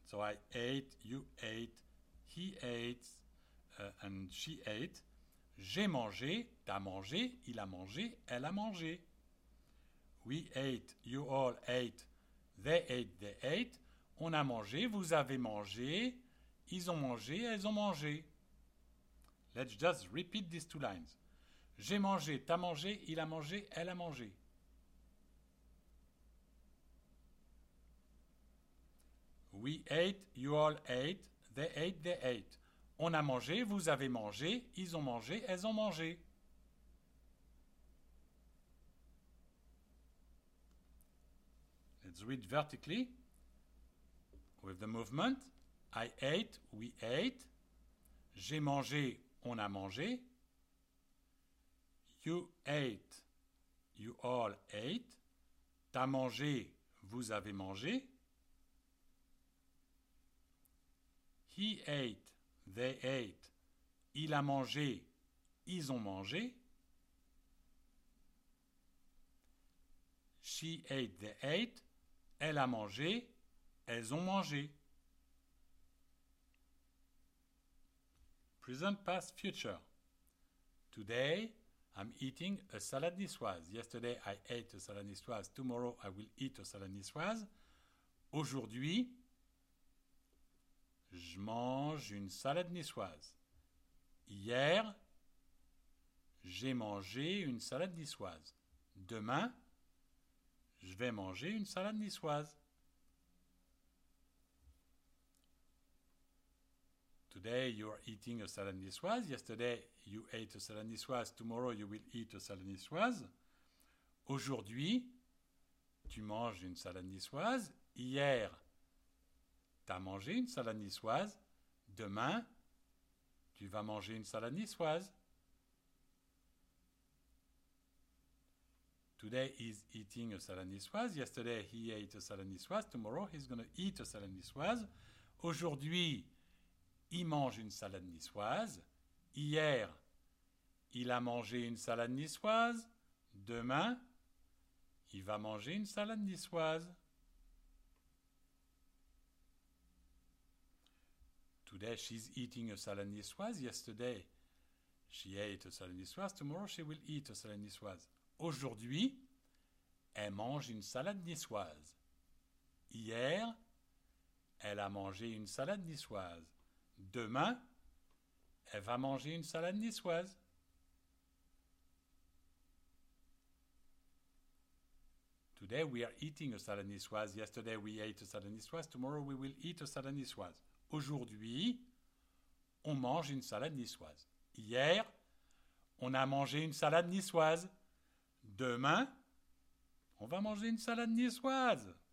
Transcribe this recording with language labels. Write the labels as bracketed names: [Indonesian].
[English] So I ate, you ate, he ate, and she ate. [French] J'ai mangé, t'as mangé, il a mangé, elle a mangé. [English] We ate, you all ate, they ate, [French] on a mangé, vous avez mangé, ils ont mangé, elles ont mangé. [English] Let's just repeat these two lines. [French] J'ai mangé, t'as mangé, il a mangé, elle a mangé. [English] We ate, you all ate, they ate. [French] On a mangé, vous avez mangé, ils ont mangé, elles ont mangé. [English] Let's read vertically with the movement. I ate, we ate. [French] J'ai mangé, on a mangé. [English] You ate, you all ate. [French] T'as mangé, vous avez mangé. [English] He ate, they ate. [French] Il a mangé, ils ont mangé. [English] She ate, they ate. [French] Elle a mangé, elles ont mangé. [English] Present, past, future. Today, I'm eating a salad niçoise. Yesterday, I ate a salad niçoise. Tomorrow, I will eat a salad niçoise. [French] Aujourd'hui, je mange une salade niçoise. Hier, j'ai mangé une salade niçoise. Demain, je vais manger une salade niçoise. [English] Today you're eating a salad niçoise. Yesterday you ate a salad niçoise. Tomorrow you will eat a salad niçoise. [French] Aujourd'hui, tu manges une salade niçoise. Hier, t'as mangé une salade niçoise. Demain, tu vas manger une salade niçoise. [English] Today he's eating a salad niçoise. Yesterday he ate a salad niçoise. Tomorrow he's going to eat a salad niçoise. [French] Aujourd'hui, il mange une salade niçoise. Hier, il a mangé une salade niçoise. Demain, il va manger une salade niçoise. [English] Today she's eating a salad niçoise. Yesterday she ate a salad niçoise. Tomorrow she will eat a salad niçoise. [French] Aujourd'hui, elle mange une salade niçoise. Hier, elle a mangé une salade niçoise. Demain, elle va manger une salade niçoise. [English] Today we are eating a salad niçoise. Yesterday we ate a salad niçoise. Tomorrow we will eat a salad niçoise. [French] Aujourd'hui, on mange une salade niçoise. Hier, on a mangé une salade niçoise. Demain, on va manger une salade niçoise.